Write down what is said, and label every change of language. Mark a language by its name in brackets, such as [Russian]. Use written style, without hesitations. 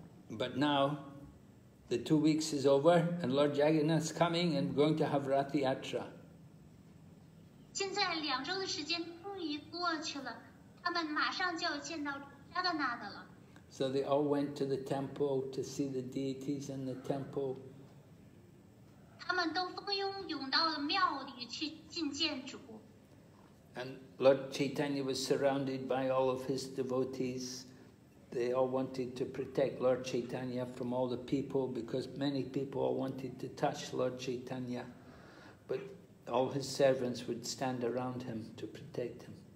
[English] But now, the 2 weeks is over, and Lord Jagannath is coming and going to have Rath Yatra. [Chinese] 现在两周的时间终于过去了，他们马上就要见到 Jagannath 了。 [English] So they all went to the temple to see the deities in the temple. [Chinese] 他们都蜂拥涌到了庙里去觐见主。 [English] And Lord Chaitanya was surrounded by all of his devotees, they all wanted to protect Lord Chaitanya from all the people, because many people all wanted to touch Lord Chaitanya, but all his servants would stand around him to protect him.